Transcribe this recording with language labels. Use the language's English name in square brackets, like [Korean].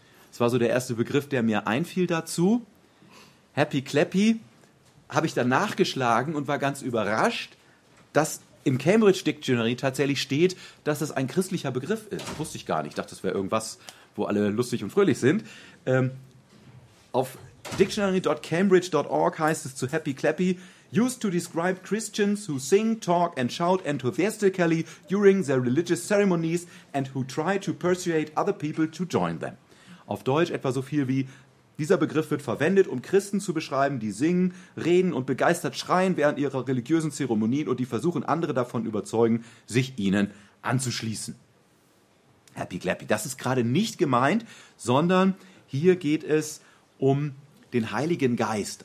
[German] Das war so der erste Begriff, der mir einfiel dazu. Happy Clappy habe ich dann nachgeschlagen und war ganz überrascht, dass im Cambridge Dictionary tatsächlich steht, dass es ein christlicher Begriff ist. Das wusste ich gar nicht. Ich dachte, das wäre irgendwas, wo alle lustig und fröhlich sind. Auf dictionary.cambridge.org heißt es zu Happy Clappy: [English] used to describe Christians who sing, talk and shout enthusiastically during their religious ceremonies and who try to persuade other people to join them. [German] Auf Deutsch etwa so viel wie: dieser Begriff wird verwendet, um Christen zu beschreiben, die singen, reden und begeistert schreien während ihrer religiösen Zeremonien und die versuchen, andere davon überzeugen, sich ihnen anzuschließen. Happy Clappy. Das ist gerade nicht gemeint, sondern hier geht es um den Heiligen Geist.